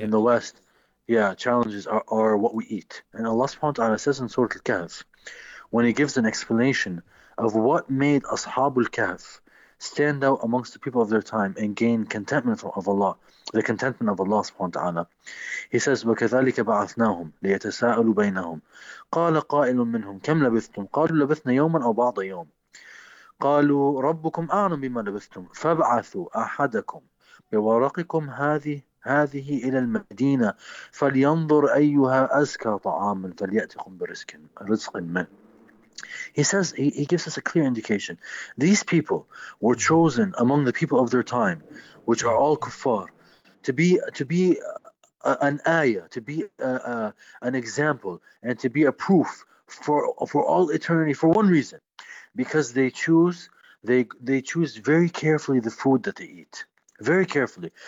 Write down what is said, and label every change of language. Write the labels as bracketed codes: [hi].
[en] in the West, challenges are what we eat. And Allah subhanahu wa ta'ala says in Surah Al-Kahf, when He gives an explanation of what made Ashab Al-Kahf stand out amongst the people of their time and gain contentment of Allah, the contentment of Allah subhanahu wa ta'ala. He says, [ar] وَكَذَلِكَ بَعَثْنَاهُمْ لِيَتَسَاءَلُوا بَيْنَهُمْ قَالَ قَائِلٌ مِّنْهُمْ كَمْ لَبِثْتُمْ قَالُوا لَبِثْنَا يَوْمًا أَوْ بَعْضَ يَوْمٍ قَالُوا رَبُّكُمْ أَعْلَمُ بِمَا لَبِثْتُمْ فَابْعَثُوا أَحَدَكُمْ بِوَرَقِكُمْ هذه إلى المدينة فلينظر أيها أزكى طعاما فليأتكم برزق منه. [en] He says, he gives us a clear indication. These people were chosen among the people of their time, which are all kuffar, to be an example, and to be a proof for all eternity, for one reason, because they choose very carefully the food that they eat, very carefully.